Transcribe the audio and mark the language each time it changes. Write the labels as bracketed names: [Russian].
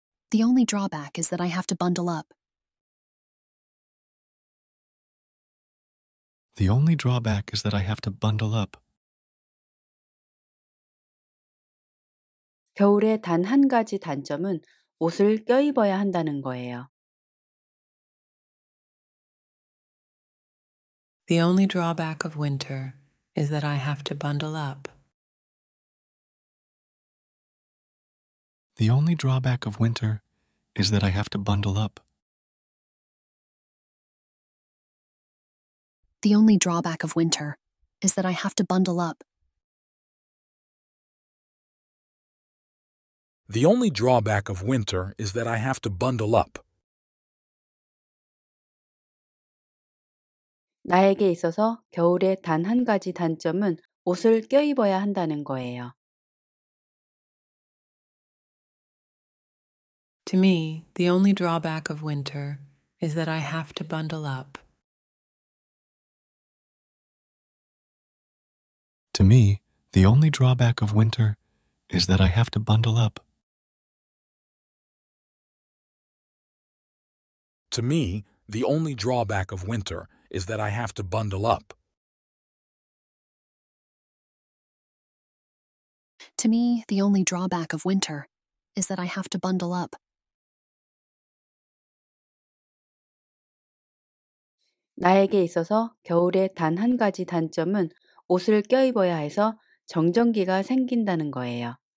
[English] The only drawback is that I have to bundle up. The only drawback is that I have to bundle up. [Korean] 겨울의 단 한 가지 단점은 옷을 껴입어야 한다는 거예요. [English] The only drawback of winter is that I have to bundle up. The only drawback of winter is that I have to bundle up. The only drawback of winter is that I have to bundle up. The only drawback of winter is that I have to bundle up. [Korean] 나에게 있어서 겨울의 단 한 가지 단점은 옷을 껴입어야 한다는 거예요. [English] To me, the only drawback of winter is that I have to bundle up. To me, the only drawback of winter is that I have to bundle up. To me, the only drawback of winter is that I have to bundle up. To me, the only drawback of winter is that I have to bundle up. [Korean] 나에게 있어서 겨울의 단 한 가지 단점은 옷을 껴입어야 해서 정전기가 생긴다는 거예요.